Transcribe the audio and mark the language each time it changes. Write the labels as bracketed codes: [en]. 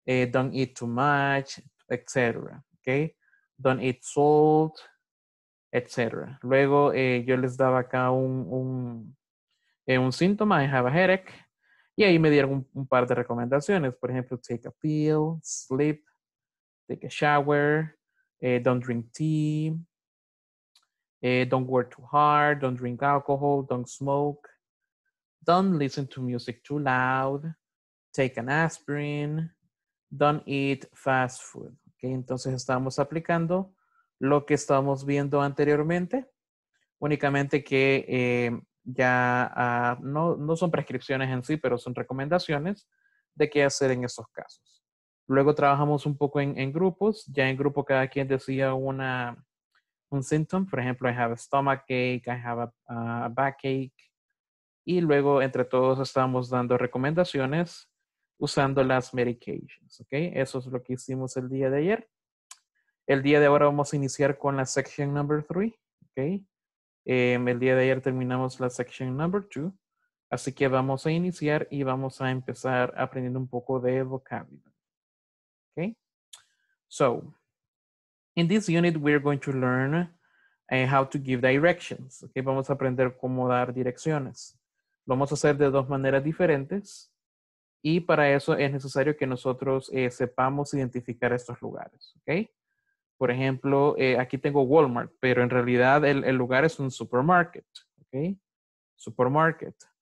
[en] Don't eat too much, etc. Okay. Don't eat salt. [es] etcétera. Luego yo les daba acá un síntoma, [en] I have a headache, [es] y ahí me dieron un par de recomendaciones. Por ejemplo, [en] take a pill, sleep, take a shower, don't drink tea, don't work too hard, don't drink alcohol, don't smoke, don't listen to music too loud, take an aspirin, don't eat fast food. [es] Okay, entonces estamos aplicando lo que estábamos viendo anteriormente, únicamente que no son prescripciones en sí, pero son recomendaciones de qué hacer en esos casos. Luego trabajamos un poco en grupos. Ya en grupo cada quien decía un síntoma. Por ejemplo, [en] I have a stomachache, I have a backache. [es] Y luego entre todos estábamos dando recomendaciones usando las medications. ¿Okay? Eso es lo que hicimos el día de ayer. El día de ahora vamos a iniciar con la [en] section number 3. [es] ¿Okay? El día de ayer terminamos la [en] section number 2. [es] Así que vamos a iniciar y vamos a empezar aprendiendo un poco de vocabulary. [en] Okay? So, in this unit, we're going to learn how to give directions. [es] Okay? Vamos a aprender cómo dar direcciones. Lo vamos a hacer de dos maneras diferentes. Y para eso es necesario que nosotros sepamos identificar estos lugares. Okay? Por ejemplo, aquí tengo Walmart, pero en realidad el lugar es un supermarket. Okay? Supermarket.